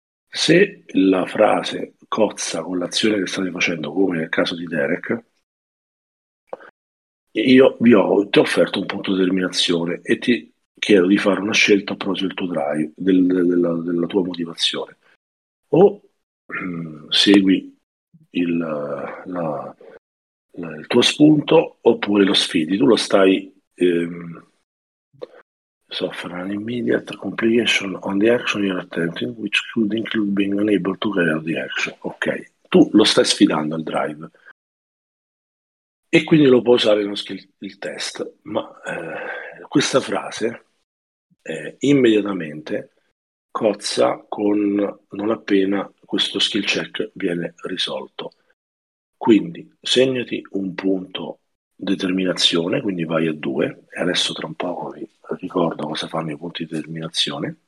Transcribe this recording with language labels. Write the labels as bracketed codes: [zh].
[it] Se la frase cozza con l'azione che state facendo, come nel caso di Derek, io ti ho offerto un punto di terminazione e ti chiedo di fare una scelta a proposito del tuo drive, della tua motivazione. O segui il tuo spunto, oppure lo sfidi. Tu lo stai [en] suffer an immediate complication on the action you're attempting, which could include being unable to carry out the action. [it] Ok, tu lo stai sfidando al drive. E quindi lo può usare il test, ma questa frase immediatamente cozza con non appena questo skill check viene risolto. Quindi segnati un punto determinazione, quindi vai a 2, e adesso tra un po' vi ricordo cosa fanno i punti di determinazione.